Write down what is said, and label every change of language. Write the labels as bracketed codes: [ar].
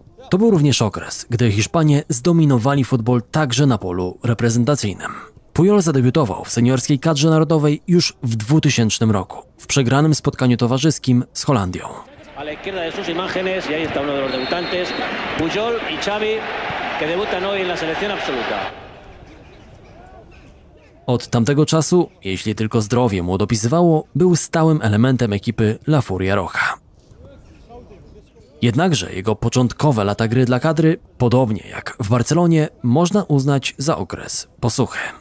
[pl] To był również okres, gdy Hiszpanie zdominowali futbol także na polu reprezentacyjnym. Puyol zadebiutował w seniorskiej kadrze narodowej już w 2000 roku, w przegranym spotkaniu towarzyskim z Holandią. [es] A la izquierda de sus imágenes, y ahí está uno de los debutantes, Puyol y Xavi, que debutan hoy en la selección absoluta. [pl] Od tamtego czasu, jeśli tylko zdrowie mu dopisywało, był stałym elementem ekipy La Furia Roja. Jednakże jego początkowe lata gry dla kadry, podobnie jak w Barcelonie, można uznać za okres posuchy.